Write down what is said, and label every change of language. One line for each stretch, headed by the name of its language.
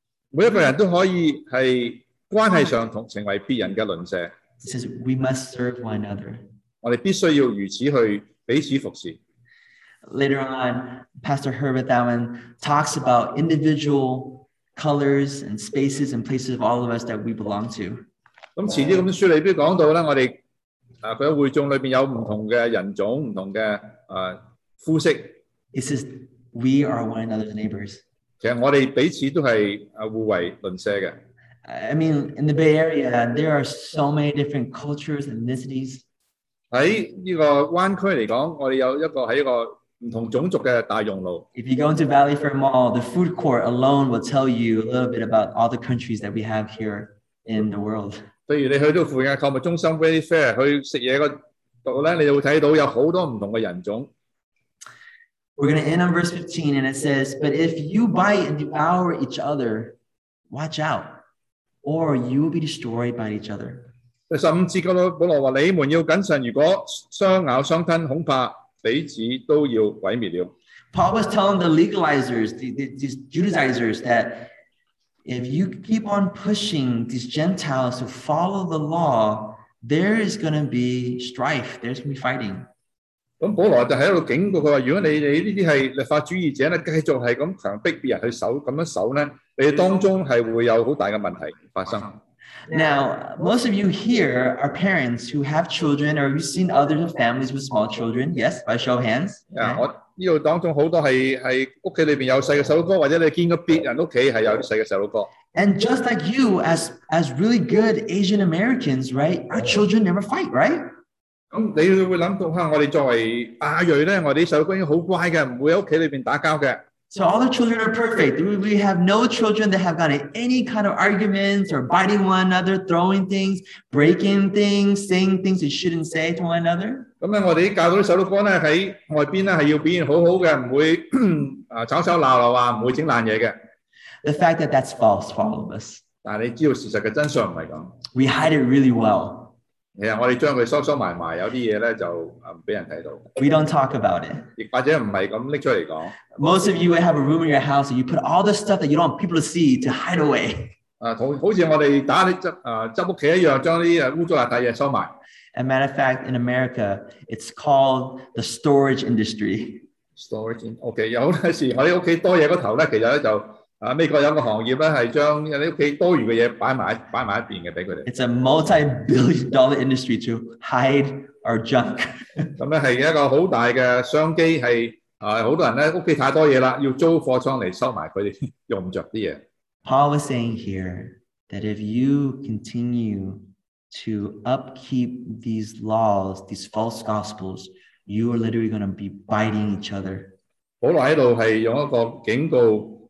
Cantonese: 每一个人都可以系关系上同成为别人嘅邻舍。
English: He says we must serve one another.
Cantonese: 我哋必须要如此去彼此服侍。
English: Later on, Pastor Herbert Thurman talks about individual colors and spaces and places of all of us that we belong to.
Cantonese: 咁迟啲咁书里边讲到咧，我哋佢會眾裏邊有唔同嘅人種、唔同嘅膚色。
English: He says we are one another's neighbors。
Cantonese: 其實我哋彼此都係互為鄰舍嘅。
English: I mean, in the Bay Area, there are so many different cultures and ethnicities.
Cantonese: 喺呢個灣區嚟講，我哋有一個喺一個唔同種族嘅大熔爐。
English: If you go into Valley Fair Mall, the food court alone will tell you a little bit about all the countries that we have here in the world.
Cantonese: 譬如你去到附近嘅購物中心 Valley Fair 去食嘢嗰度咧，你就會睇到有好多唔同嘅人種。
English: We're going to end on verse 15, and it says, "But if you bite and devour each other, watch out." Or you will be destroyed by each other.
Cantonese: 第十五節嗰度，保羅話：你們要謹慎，如果相咬相吞，恐怕彼此都要毀滅了。
English: Paul was telling the legalizers, these Judaizers, that if you keep on pushing these Gentiles to follow the law, there is going to be strife. There's going to be fighting.
Cantonese: 咁保羅就喺度警告佢話：如果你呢啲係律法主義者咧，繼續係咁強迫別人去守，咁樣守咧。你當中係會有好大嘅問題發生。
English: Now, most of you here are parents who have children, or you've seen others of families with small children. Yes, by show of hands.
Cantonese: 我呢度當中好多係屋企裏邊有細嘅細路哥，或者你見過別人屋企係有啲細嘅細路哥。
English: And just like you, as really good Asian Americans, right? Our children never fight, right?
Cantonese: 咁你會諗到嚇，我哋作為亞裔咧，我哋啲細路哥已經好乖嘅，唔會喺屋企裏邊打交嘅。
English: So all the children are perfect. We have no children that have gotten any kind of arguments or biting one another, throwing things, breaking things, saying things they shouldn't say to one another.
Cantonese: 咁我哋教到啲細路哥咧喺外邊咧係要表現好好嘅，唔會吵吵鬧鬧啊，唔會整爛嘢嘅。
English: The fact that that's false for all of us.
Cantonese: 但你知道事實嘅真相唔係咁。
English: We hide it really well.
Cantonese: 係啊，我哋將佢收收埋埋，有啲嘢咧就唔俾人睇到。
English: We don't talk about it.
Cantonese: 亦或者唔係咁拎出嚟講。
English: Most of you have a room in your house, and you put all the stuff that you don't want people to see to hide away.
Cantonese: 好似我哋打啲執屋企一樣，將啲污糟邋遢嘢收埋。
English: As a matter of fact, in America, it's called the storage industry.
Cantonese: Storage. Okay. 有陣時我哋屋企多嘢嗰頭咧，其實就美國有個行業咧，係將你屋企多餘嘅嘢擺埋一邊嘅俾佢哋。
English: It's a multi-billion-dollar industry to hide our junk.
Cantonese: 咁咧係一個好大嘅商機，係好多人咧屋企太多嘢啦，要租貨倉嚟收埋佢哋用唔著啲嘢。
English: Paul was saying here that if you continue to upkeep these laws, these false gospels, you are literally going to be biting each other.
Cantonese: 保羅喺度係用一個警告。